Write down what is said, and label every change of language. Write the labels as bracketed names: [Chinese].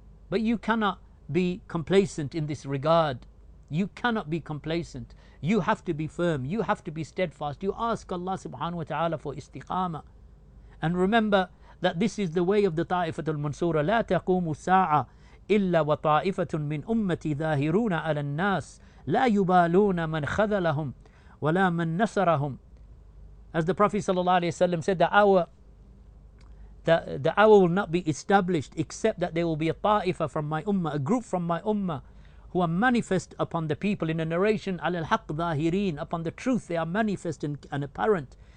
[English] But you cannot be complacent in this regard. You cannot be complacent. You have to be firm. You have to be steadfast. You ask Allah subhanahu wa ta'ala for istiqama. And remember that this is the way of the Ta'ifatul Mansura. [Arabic] لا تقوم ساعة إلا وطائفة من أمتي ظاهرون على الناس لا يبالون من خذلهم ولا من نصرهم. [English] As the Prophet sallallahu alaihi wasallam said, the hour will not be established except that there will be a ta'ifa from my ummah, a group from my ummah, who are manifest upon the people in a narration, al haq zahirin, upon the truth they are manifest and apparent.